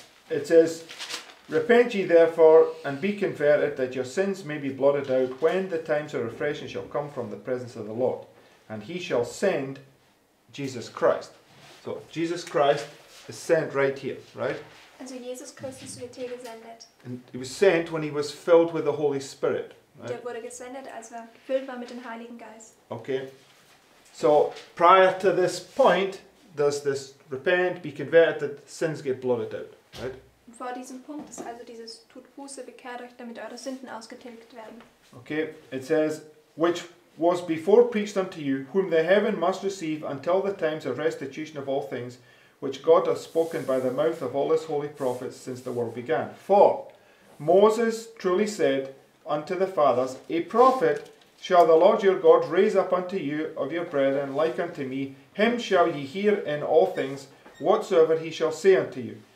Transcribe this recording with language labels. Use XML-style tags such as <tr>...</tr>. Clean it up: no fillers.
<en>It says, "Repent ye therefore, and be converted, that your sins may be blotted out, when the times of refreshing shall come from the presence of the Lord, and he shall send Jesus Christ." So Jesus Christ is sent right here, right?</en> <de>Also Jesus Christus wird hier gesendet.</de> <en>And he was sent when he was filled with the Holy Spirit. Right?</en> <de>Der wurde gesendet, als er gefüllt war mit dem Heiligen Geist.</de> <en>Okay. So prior to this point, does this repent, be converted, that sins get blotted out, right?</en> <de>Vor diesem Punkt ist also dieses tut Buße, bekehrt euch, damit eure Sünden ausgetilgt werden.</de> <en>Okay, it says, which was before preached unto you, whom the heaven must receive until the times of restitution of all things, which God hath spoken by the mouth of all his holy prophets since the world began. For Moses truly said unto the fathers, a prophet shall the Lord your God raise up unto you of your brethren like unto me, him shall ye hear in all things, whatsoever he shall say unto you.</en>